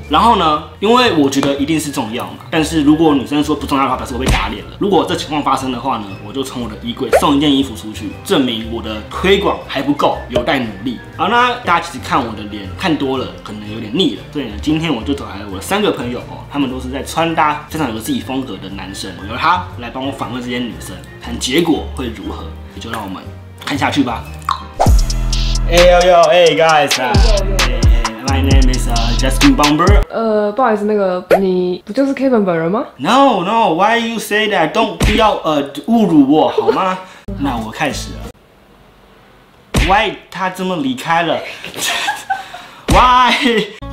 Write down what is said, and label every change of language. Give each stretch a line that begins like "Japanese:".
Chinese: 然后呢，因为我觉得一定是重要嘛，但是如果女生说不重要的话，表示我被打脸了。如果这情况发生的话呢，我就从我的衣柜送一件衣服出去，证明我的推广还不够，有待努力。好，那大家其实看我的脸看多了，可能有点腻了，所以呢，今天我就找来我的三个朋友哦，他们都是在穿搭非常有自己风格的男生，我由他来帮我访问这些女生，看结果会如何，也就让我们看下去吧。
English: Hey yo yo, hey guys, hey, yo, yo. Hey, my name is Justin Bomber.
Chinese: 不好意思，那个你不就是 Kevin 本人吗
English: ？No no, why you say that? Don't
Chinese: 不要侮辱我好吗？那我开始了。
English: Why
Chinese: 他这么离开了？Why?